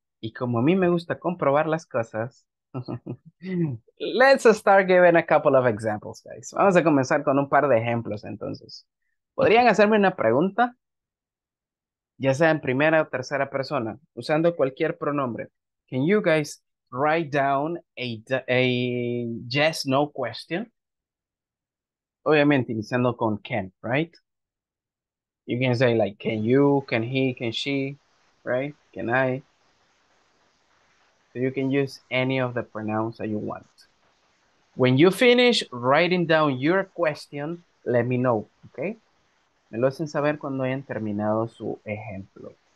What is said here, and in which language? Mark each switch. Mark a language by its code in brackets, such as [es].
[es] Y como a mí me gusta comprobar las cosas, [en] let's start giving a couple of examples, guys. [es] Vamos a comenzar con un par de ejemplos, entonces. ¿Podrían hacerme una pregunta? Ya sea en primera o tercera persona, usando cualquier pronombre. [en] Can you guys write down a yes, no question? Obviamente, iniciando con can, right? You can say like, can you, can he, can she, right? Can I? So you can use any of the pronouns that you want. When you finish writing down your question, let me know, okay? [es] Me lo hacen saber cuando hayan terminado su ejemplo.